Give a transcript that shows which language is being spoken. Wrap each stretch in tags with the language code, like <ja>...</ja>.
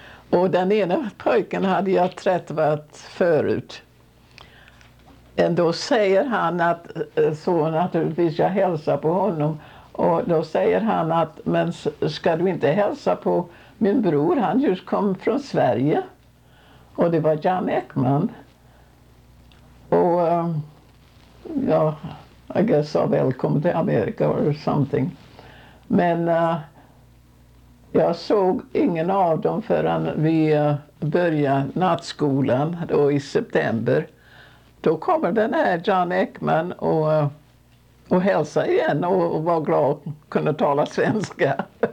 <sv>Och den ena pojken hade jag träffat förut. Ändå säger han att, så naturligtvis jag hälsar på honom. Och då säger han att, men ska du inte hälsa på min bror? Han just kom från Sverige. Och det var Jan Ekman.</sv> <en>Och ja, I guess I'm welcome to America or something.</en> <sv>Men jag såg ingen av dem förrän vi började nattskolan då i september. Då kommer den här Jan Ekman och hälsa igen och var glad att kunna tala svenska.</sv>